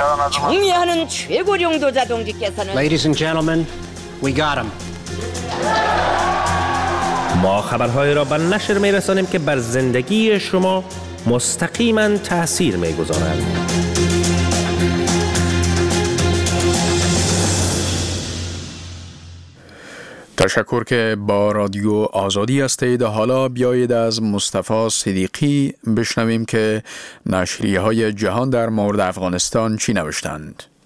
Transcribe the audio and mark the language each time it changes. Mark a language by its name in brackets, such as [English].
[English] چونیانون چه گریونگ دو زدونگی کسانون. Ladies and gentlemen, we got him. [Persian] ما خبرهای را به نشر می رسانیم که بر زندگی شما مستقیما تأثیر می گذارند. تشکر که با رادیو آزادی هستید. حالا بیایید از مصطفی صدیقی بشنویم که نشریه های جهان در مورد افغانستان چی نوشتند.